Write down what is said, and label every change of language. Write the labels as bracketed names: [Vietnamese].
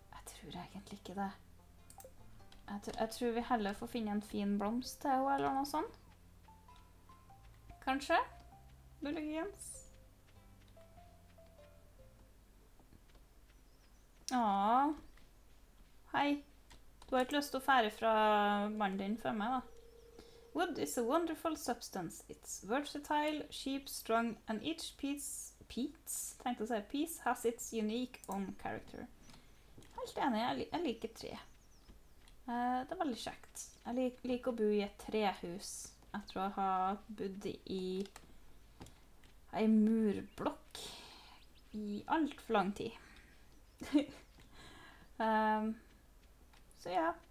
[Norwegian] Jeg tror egentlig ikke det. Jeg tror vi heller får finne en fin blomst til henne, eller noe sånt. Kanskje? Muligens? Hei. Du har ikke lyst til å fære fra mannen din før meg, da. [English] Wood is a wonderful substance. It's versatile, cheap, strong, and each piece has its unique own character. [Norwegian] Helt enig, jeg liker tre. Det veldig kjekt. Jeg liker å bo I et trehus. Etter å ha bodd I en murblokk I alt for lang tid. så ja.